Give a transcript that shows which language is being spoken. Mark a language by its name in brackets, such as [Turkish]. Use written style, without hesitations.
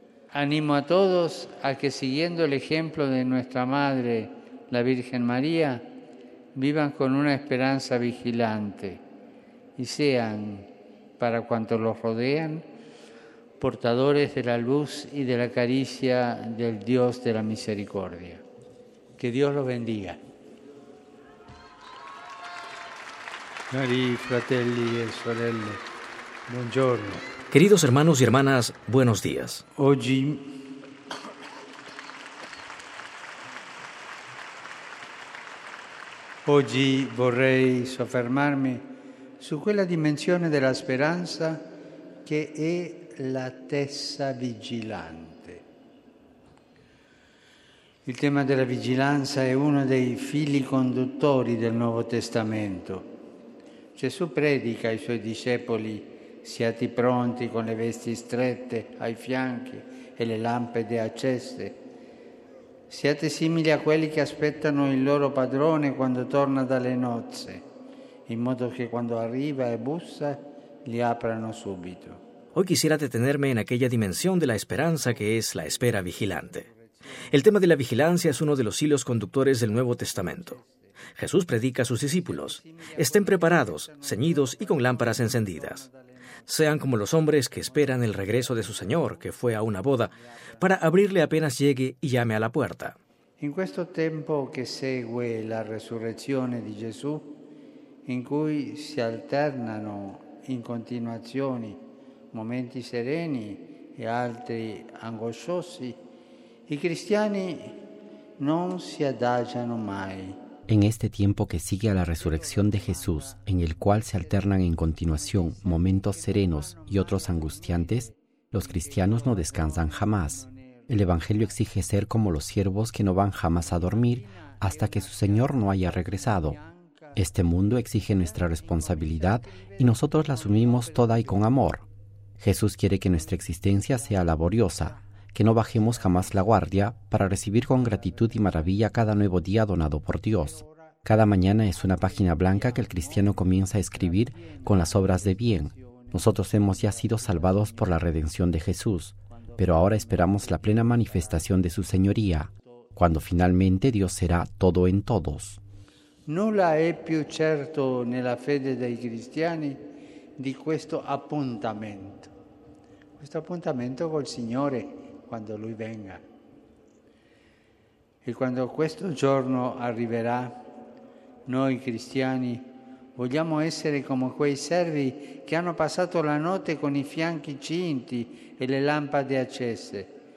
[Spanish] Animo a todos a que, siguiendo el ejemplo de nuestra Madre, la Virgen María, vivan con una esperanza vigilante y sean, para cuantos los rodean, portadores de la luz y de la caricia del Dios de la misericordia. Que Dios los bendiga. [Italian] Cari fratelli e sorelle, buongiorno. [Spanish] Queridos hermanos y hermanas, buenos días. [Italian] Oggi vorrei soffermarmi su quella dimensione della speranza che è la tessa vigilante. Il tema della vigilanza è uno dei fili conduttori del Nuovo Testamento. Gesù predica ai suoi discepoli: siate pronti con le vesti strette ai fianchi e le lampade accese. Siate simili a quelli che aspettano il loro padrone quando torna dalle nozze, in modo che quando arriva e bussa li aprano subito. [Spanish] Hoy quisiera detenerme en aquella dimensión de la esperanza que es la espera vigilante. El tema de la vigilancia es uno de los hilos conductores del Nuevo Testamento. Jesús predica a sus discípulos: estén preparados, ceñidos y con lámparas encendidas. Sean como los hombres que esperan el regreso de su Señor, que fue a una boda, para abrirle apenas llegue y llame a la puerta. [Italian] En questo tempo che segue la resurrezione di Gesù, in cui si alternano in continuazione momenti sereni e altri angosciosi, i cristiani non si adagiano mai. [Spanish] En este tiempo que sigue a la resurrección de Jesús, en el cual se alternan en continuación momentos serenos y otros angustiantes, los cristianos no descansan jamás. El Evangelio exige ser como los siervos que no van jamás a dormir hasta que su Señor no haya regresado. Este mundo exige nuestra responsabilidad y nosotros la asumimos toda y con amor. Jesús quiere que nuestra existencia sea laboriosa, que no bajemos jamás la guardia para recibir con gratitud y maravilla cada nuevo día donado por Dios. Cada mañana es una página blanca que el cristiano comienza a escribir con las obras de bien. Nosotros hemos ya sido salvados por la redención de Jesús, pero ahora esperamos la plena manifestación de su Señoría, cuando finalmente Dios será todo en todos. [Italian] Nulla è più certo nella fede dei cristiani di questo appuntamento. Questo appuntamento col Signore quando Lui venga. E quando questo giorno arriverà, noi cristiani vogliamo essere come quei servi che hanno passato la notte con i fianchi cinti e le lampade accese.